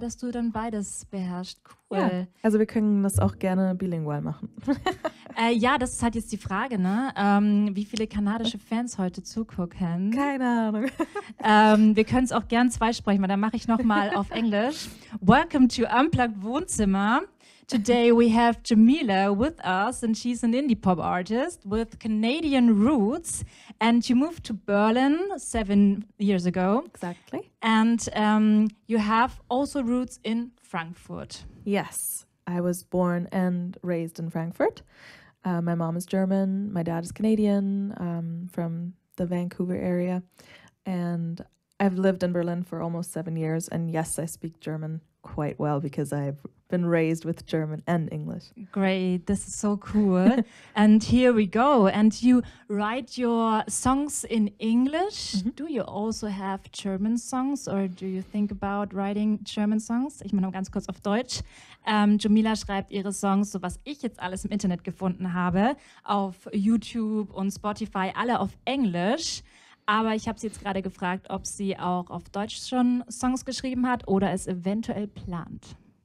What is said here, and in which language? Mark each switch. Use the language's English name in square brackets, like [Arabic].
[German] Dass du dann beides beherrschst. Cool. Ja. Also wir können das auch gerne bilingual machen. Ja, das ist halt jetzt die Frage, ne? Wie viele kanadische Fans heute zugucken. Keine Ahnung. Wir können es auch gern zweisprechen, weil dann mache ich nochmal auf Englisch. [English] Welcome to Unplugged Wohnzimmer. Today we have Jumila with us and she's an indie pop artist with Canadian roots and you moved to Berlin 7 years ago. Exactly. And you have also roots in Frankfurt. Yes, I was born and raised in Frankfurt. My mom is German, my dad is Canadian from the Vancouver area and I've lived in Berlin for almost 7 years and yes, I speak German quite well because I've been raised with German and English. Great, this is so cool. And here we go. And you write your songs in English. Mm-hmm. Do you also have German songs or do you think about writing German songs? [German] Ich meine, ganz kurz auf Deutsch. Jumila schreibt ihre Songs, so was ich jetzt alles im Internet gefunden habe, auf YouTube und Spotify, alle auf Englisch. Aber ich habe sie jetzt gerade gefragt, ob sie auch auf Deutsch schon Songs geschrieben hat oder es eventuell plant.